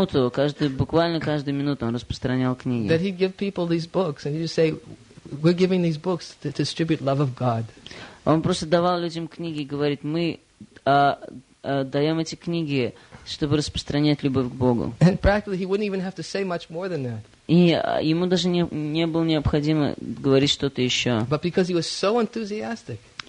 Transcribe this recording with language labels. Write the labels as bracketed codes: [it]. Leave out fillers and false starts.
[ru] Каждую минуту он распространял книги. [en] That he'd give people these books and he'd just say, "We're giving these books to distribute love of God." [ru] Он просто давал людям книги и говорит, мы даем эти книги, чтобы распространять любовь к Богу. [en] And practically he wouldn't even have to say much more than that. [ru] И ему даже не было необходимо говорить что-то еще. [en] But because he was so enthusiastic.